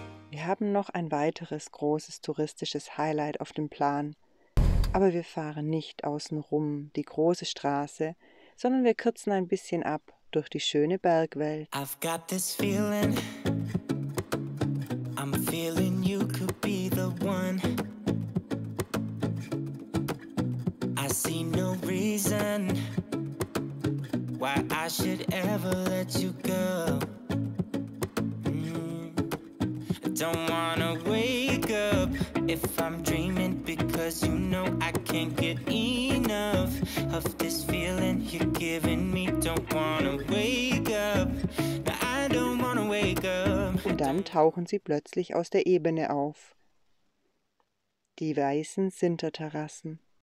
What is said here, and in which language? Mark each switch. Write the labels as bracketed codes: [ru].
[de] Wir haben noch ein weiteres großes touristisches Highlight auf dem Plan. Aber wir fahren nicht außenrum die große Straße, sondern wir kürzen ein bisschen ab durch die schöne Bergwelt. [en] I've got this feeling. I'm feeling you could be the one. I see. reason why I should ever let you go. Don't wanna wake up if I'm dreaming, because you know I can't get enough of this feeling you're giving me. Don't wanna wake up. [de] Und dann tauchen sie plötzlich aus der Ebene auf. Die weißen Sinterterrassen.